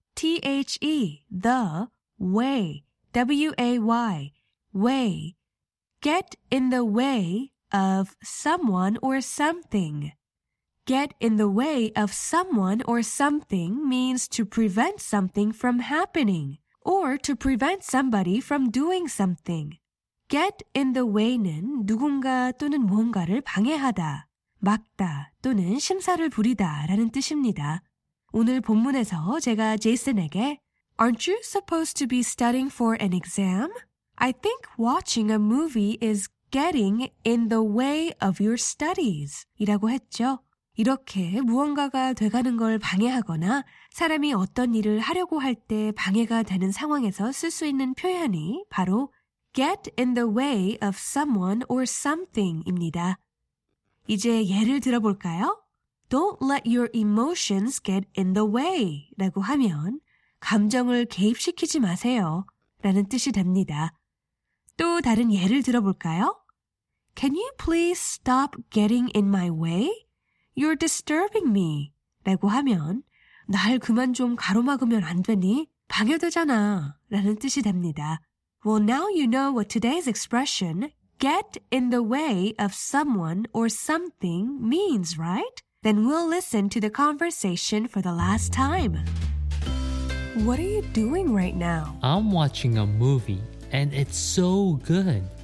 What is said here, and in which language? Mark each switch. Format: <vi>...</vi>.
<en>T-H-E, the, way, W-A-Y, way. Get in the way of someone or something. Get in the way of someone or something means to prevent something from happening or to prevent somebody from doing something.</en> <ko>Get in the way는 누군가 또는 무언가를 방해하다, 막다 또는 심사를 부리다 라는 뜻입니다. 오늘 본문에서 제가 제이슨에게</ko> <en>Aren't you supposed to be studying for an exam? I think watching a movie is getting in the way of your studies.</en> <ko>이라고 했죠. 이렇게 무언가가 돼가는 걸 방해하거나 사람이 어떤 일을 하려고 할 때 방해가 되는 상황에서 쓸 수 있는 표현이 바로 get in the way of someone or something입니다. 이제 예를 들어볼까요?</ko> <en>Don't let your emotions get in the way</en> <ko>라고 하면 감정을 개입시키지 마세요 라는 뜻이 됩니다. 또 다른 예를 들어볼까요?</ko> <en>Can you please stop getting in my way? You're disturbing me</en> <ko>라고 하면 날 그만 좀 가로막으면 안 되니? 방해되잖아 라는 뜻이 됩니다.</ko> <en>Well, now you know what today's expression get in the way of someone or something means, right? Then we'll listen to the conversation for the last time. What are you doing right now? I'm watching a movie, and it's so good.</en>